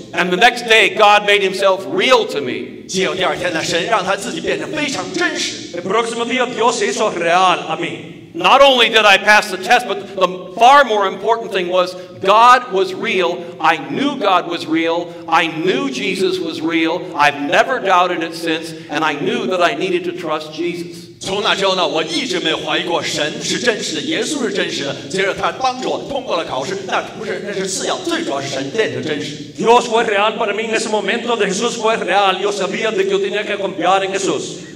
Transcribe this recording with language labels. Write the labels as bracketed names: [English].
[English] the next day, God made Himself real to me. [Chinese] 结果第二天呢，神让他自己变得非常真实。 [Spanish] El próximo día, Dios se hizo real a mí. [English] Not only did I pass the test, but the far more important thing was God was real. I knew God was real. I knew Jesus was real. I've never doubted it since, and I knew that I needed to trust Jesus. [Chinese] 从那之后呢，我一直没怀疑过神是真实的，耶稣是真实的。接着他帮助我通过了考试，那不是，那是次要，最主要是神变成真实。 [Spanish] Dios fue real para mí en ese momento de Jesús fue real. Yo sabía de que yo tenía que confiar en Jesús.